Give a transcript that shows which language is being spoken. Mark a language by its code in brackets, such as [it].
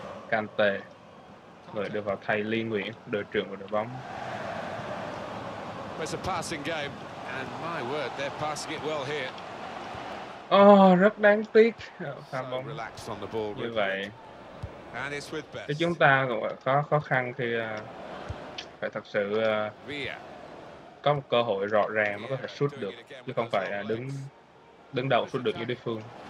[vi] Kante, người đưa vào thay Lý Nguyễn, đội trưởng của đội bóng. [en] it's a passing game, and my word, they're passing it well here. [vi] Oh, rất đáng tiếc pha bóng như vậy. Thì chúng ta cũng có khó khăn khi phải thật sự có một cơ hội rõ ràng mới có thể sút được, chứ không phải đứng đầu sút được như đối phương.